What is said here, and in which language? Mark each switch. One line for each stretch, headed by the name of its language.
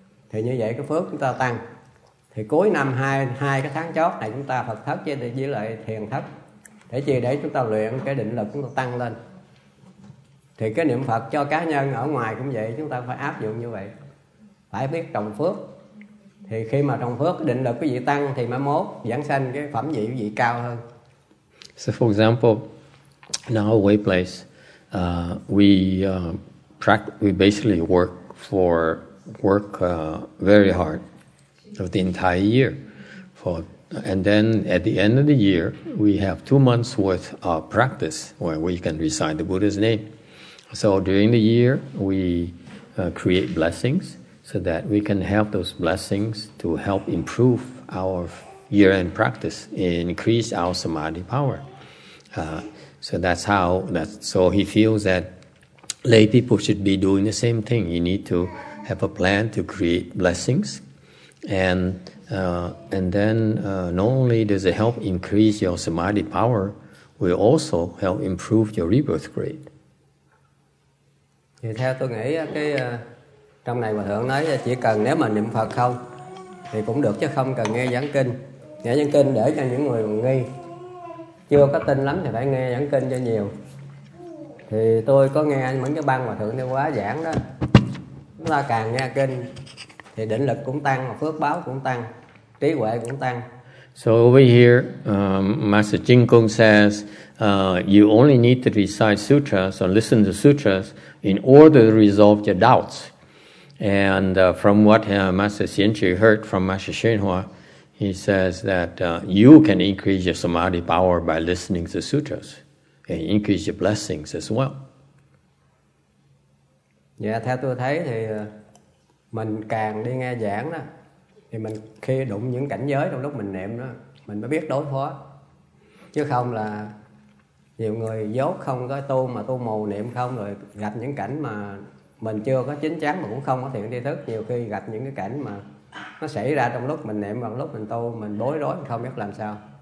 Vietnamese: Thì như vậy cái phước chúng ta tăng. Thì cuối năm hai cái tháng chót này chúng ta Phật thất với lại thiền thất. Để chi? Để chúng ta luyện cái định lực chúng ta tăng lên. Thì cái niệm Phật cho cá nhân ở ngoài cũng vậy, chúng ta phải áp dụng như vậy. Phải biết trồng phước. Thì khi mà trồng phước, định lực quý vị tăng thì mai mốt giảng sanh cái phẩm vị quý vị cao hơn.
English: So for example, in our way place, we basically work very hard for the entire year. And then at the end of the year, we have 2 months worth of practice where we can recite the Buddha's name. So during the year, we create blessings so that we can have those blessings to help improve our year-end practice, increase our samadhi power. So he feels that lay people should be doing the same thing. You need to have a plan to create blessings. And then not only does it help increase your samadhi power, will also help improve your rebirth grade.
Vietnamese: Thì theo tôi nghĩ cái trong này Hòa Thượng nói chỉ cần nếu mà niệm Phật không thì cũng được, chứ không cần nghe giảng kinh. Nghe giảng kinh để cho những người nghi chưa có tin lắm thì phải nghe giảng kinh cho nhiều. Thì tôi có nghe những cái băng Hòa Thượng đi quá giảng đó, chúng ta càng nghe kinh thì định lực cũng tăng, phước báo cũng tăng, trí huệ cũng tăng.
English: So over here, Master Jing Kong says, you only need to recite sutras or listen to sutras in order to resolve your doubts. And from what Master Xian Chi heard from Master Shenhua, he says that you can increase your samadhi power by listening to sutras and increase your blessings as well.
Vietnamese: Yeah, theo tôi thấy thì mình càng đi nghe giảng đó, thì mình khi đụng những cảnh giới trong lúc mình niệm đó, mình mới biết đối phó. Chứ không là nhiều người dốt không có tu mà tu mù niệm không, rồi gặp những cảnh mà mình chưa có chín chắn mà cũng không có thiện tri thức, nhiều khi gặp những cái cảnh mà nó xảy ra trong lúc mình niệm, trong lúc mình tu mình bối rối không biết làm sao.